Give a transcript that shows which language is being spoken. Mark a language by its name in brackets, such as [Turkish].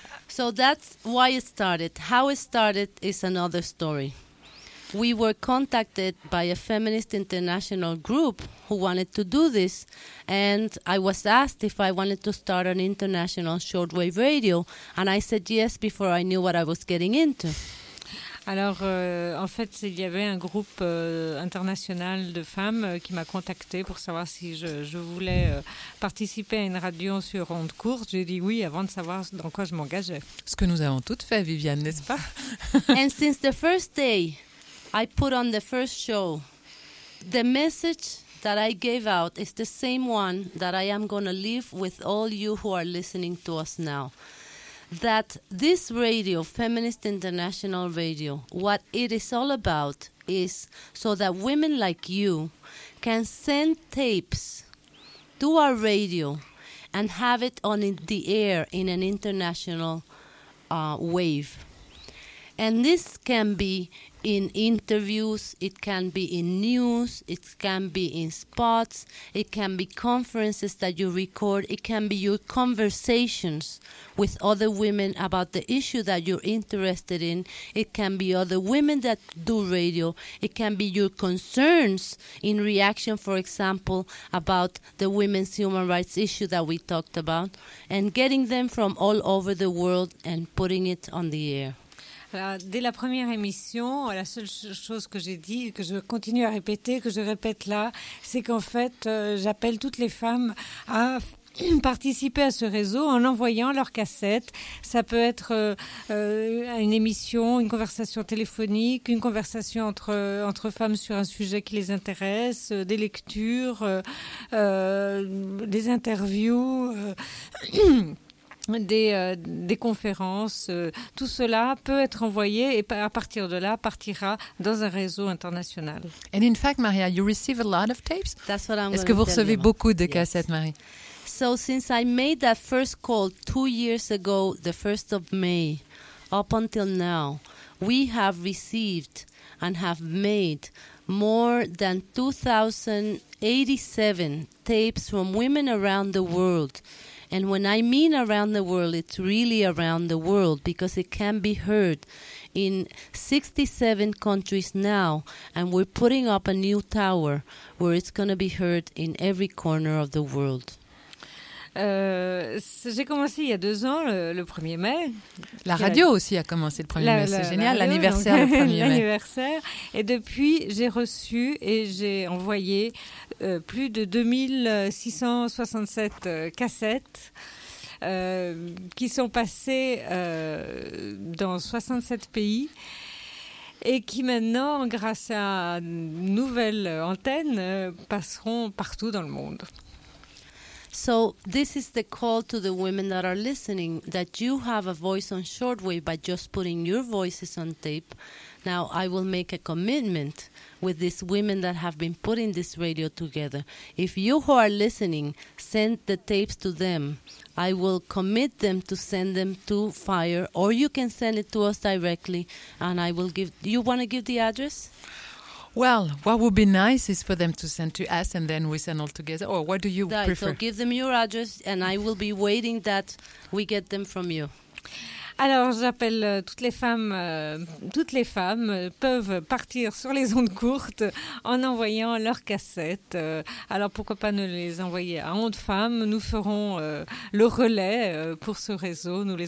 [English] So that's why it started. How it started is another story. We were contacted by a feminist international group who wanted to do this, and I was asked if I wanted to start an international shortwave radio, and I said yes before I knew what I was getting into. [French] Alors, en fait, il y avait un groupe international de femmes qui m'a contactée pour savoir si je voulais participer à une radio sur ondes courtes. J'ai dit oui avant de savoir dans quoi je m'engageais. Ce que nous avons toutes fait, Viviane, n'est-ce pas? [English] And since the first day I put on the first show, the message that I gave out is the same one that I am going to leave with all you who are listening to us now. That this radio, Feminist International Radio, what it is all about is so that women like you can send tapes to our radio and have it on in the air in an international wave. And this can be in interviews, it can be in news, it can be in spots, it can be conferences that you record, it can be your conversations with other women about the issue that you're interested in, it can be other women that do radio, it can be your concerns in reaction, for example, about the women's human rights issue that we talked about, and getting them from all over the world and putting it on the air. [French] Alors, dès la première émission, la seule chose que j'ai dit, que je continue à répéter, que je répète là, c'est qu'en fait, j'appelle toutes les femmes à participer à ce réseau en envoyant leurs cassettes. Ça peut être une émission, une conversation téléphonique, une conversation entre femmes sur un sujet qui les intéresse, des lectures, des interviews. Des conférences, tout cela peut être envoyé et à partir de là partira dans un réseau international. [English] And in fact, Maria, you receive a lot of tapes. That's what I'm [French] Est-ce que vous recevez beaucoup de cassettes, [English] yes. [French] Marie? [English] So since I made that first call 2 years ago, the 1st of May, up until now, we have received and have made more than 2,087 tapes from women around the world. And when I mean around the world, it's really around the world because it can be heard in 67 countries now. And we're putting up a new tower where it's going to be heard in every corner of the world. [French] J'ai commencé il y a 2 ans, le 1er mai. La radio aussi a commencé le 1er mai, c'est génial, l'anniversaire le 1er mai. L'anniversaire. Et depuis, j'ai reçu et j'ai envoyé plus de 2667 cassettes qui sont passées dans 67 pays. Et qui maintenant, grâce à une nouvelle antenne, passeront partout dans le monde. [English] So this is the call to the women that are listening, that you have a voice on shortwave by just putting your voices on tape, Now I will make a commitment with these women that have been putting this radio together. If you who are listening send the tapes to them, I will commit them to send them to FIRE, or you can send it to us directly, and I will give... Do you want to give the address? Well, what would be nice is for them to send to us, and then we send all together. Or what do you right, prefer? So give them your address, and I will be waiting that we get them from you. [French] Alors, j'appelle toutes les femmes peuvent partir sur les ondes courtes en envoyant leurs cassettes. Alors, pourquoi pas ne les envoyer à Ondes Femmes? Nous ferons le relais pour ce réseau.